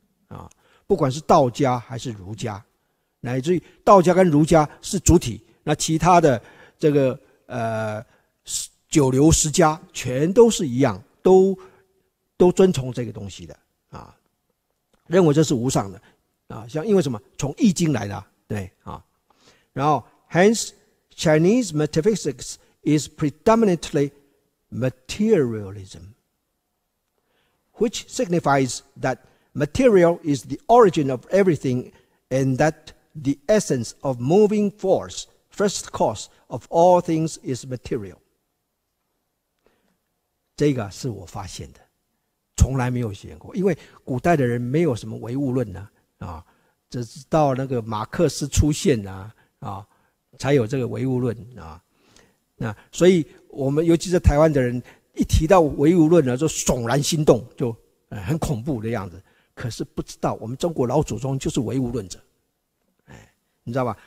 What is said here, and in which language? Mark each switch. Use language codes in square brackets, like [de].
[zh] 啊，不管是道家还是儒家，乃至于道家跟儒家是主体，那其他的这个九流十家全都是一样，都遵从这个东西的啊，认为这是无上的啊。像因为什么？从易经来的，对啊。 [en] 然后 ，hence Chinese metaphysics is predominantly materialism, which signifies that material is the origin of everything, and that the essence of moving force. First cause of all things is material。 [zh] 这个是我发现的，从来没有写过，因为古代的人没有什么唯物论啊，直到那个马克思出现啊才有这个唯物论啊。那所以我们尤其是台湾的人一提到唯物论呢，就悚然心动，就很恐怖的样子，可是不知道我们中国老祖宗就是唯物论者，你知道吧？